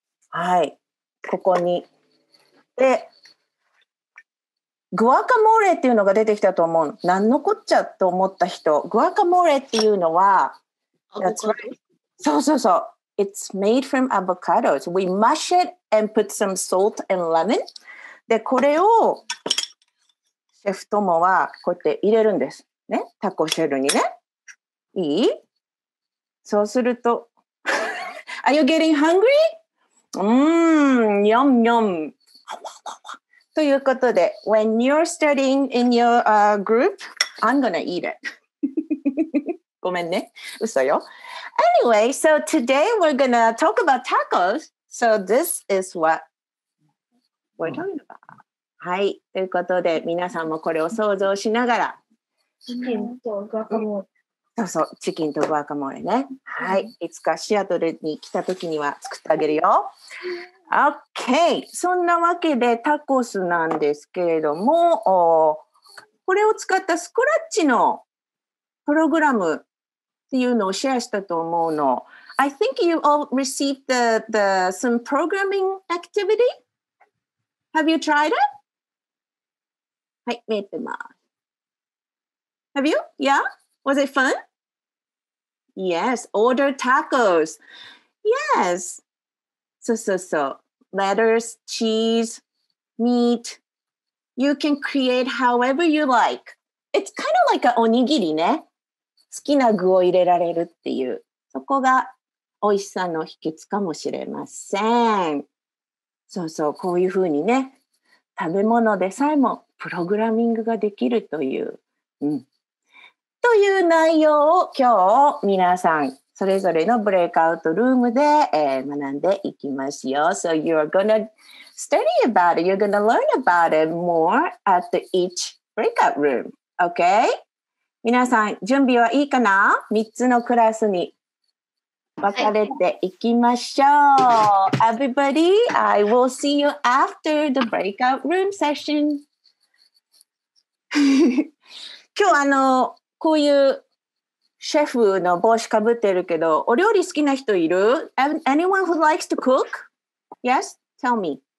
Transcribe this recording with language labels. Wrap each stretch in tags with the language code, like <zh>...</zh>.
<ja>はい。ここに。で、グアカモーレっていうのが出てきたと思う。なんのこっちゃと思った人。グアカモーレっていうのは、そうそうそう。</ja> <en>It's made from avocados. We mash it and put some salt and lemon.</en> <ja>で、これをシェフトモはこうやって入れるんです。ね。タコシェルにね。いい？そうすると。</ja> <en>Are you getting hungry? ニョンニョン。</en> <ja>ということで、</ja> <en>when you're studying in your group, I'm gonna eat it.</en> <ja>ごめんね、嘘よ。</ja> <en>Anyway, so today we're gonna talk about tacos. So this is what we're talking about.</en> <ja>はい、ということで皆さんもこれを想像しながら、チキンとガカモレ、そうそう、チキンとガカモレね、はい、いつかシアトルに来た時には作ってあげるよ。 OK、 そんなわけでタコスなんですけれども、これを使ったスクラッチのプログラムっていうのをシェアしたと思うの。</ja> <en>I think you all received the some programming activity. Have you tried it?</en> <ja>はい、見えてます。</ja> <en>Have you? Yeah? Was it fun? Yes, order tacos. Yes. So, so, so. Lettuce, cheese, meat. You can create however you like. It's kind of like a onigiri, ね。</en> <ja>好きな具を入れられるっていう。そこが美味しさの秘訣かもしれません。そうそう、こういうふうにね、食べ物でさえもプログラミングができるという、うん、という内容を今日皆さんそれぞれのブレイクアウトルームで、学んでいきますよ。</ja> <en>So you're gonna study about it. You're gonna learn about it more at the each breakout room. Okay?</en> <ja>皆さん準備はいいかな ?3 つのクラスに分かれていきましょう。</ja> <en>はい、Everybody, I will see you after the breakout room session.</en> <ja>今日こういうシェフの帽子かぶってるけど、お料理好きな人いる ?</ja> <en>Anyone who likes to cook? Yes? Tell me.</en>